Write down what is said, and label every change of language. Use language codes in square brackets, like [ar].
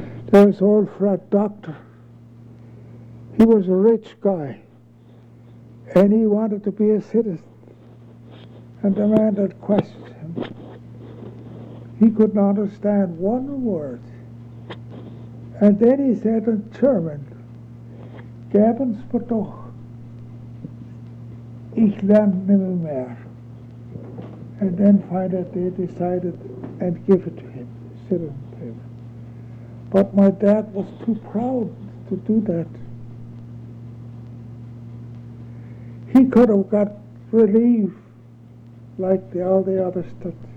[en] There was old Fred Doctor. He was a rich guy. And he wanted to be a citizen. And the man that questioned him, he couldn't understand one word. And then he said in German, [de] Gaben Sie mir doch, ich lerne nimmer mehr. [en] And then finally they decided and give it to him, citizen paper. But my dad was too proud to do that. He could have got relief like all the others did.